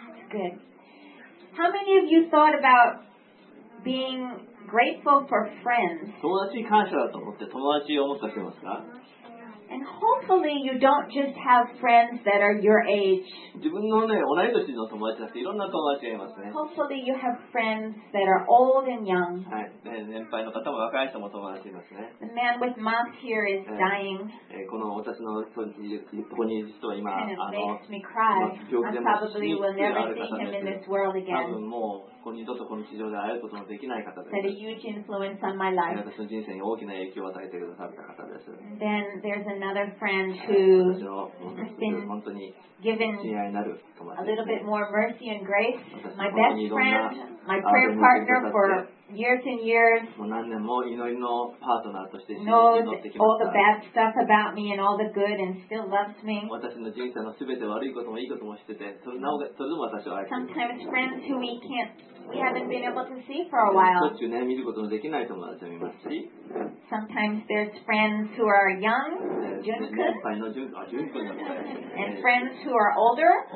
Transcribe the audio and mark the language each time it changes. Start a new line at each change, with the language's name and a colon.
English: Good. How many of you thought about being grateful for friends?
Japanese: 友達に感謝だと思って友達を思った人いますか？
English: And hopefully you don't just have friends that are your age.
Japanese: 自分のね、同い年の友達だって、いろんな友達がいますね。
English: Hopefully you have friends that are old and young.
Japanese: はい、ね、年配の方も若い人も友達いますね。
English: The man with mask here is dying.
Japanese: この私のここにいる人は今、
English: kind of makes me cry. I probably will never see him in this world again.
Japanese: 多分もう、ここに二度とこの地上で会えることのできない方です。
English: That a huge influence on my life.
Japanese: 私の人生に大きな影響を与えてくださった方です。
English: Then there's another friend who has been given a little bit more mercy and grace. My best friend, my prayer partner for years and years,
Japanese: もう何年も祈りのパートナーとして祈ってきました。
English: knows all the bad stuff about me and all the good and still loves me.
Japanese: 私の人生のすべて悪いこともいいこともしてて、それでも私を愛しています。
English: Sometimes friends who we haven't been able to see for a while.
Japanese: 途中ね、見ることのできない友達もいますし。
English: Sometimes there's friends who are young, Junkun. And friends who are older.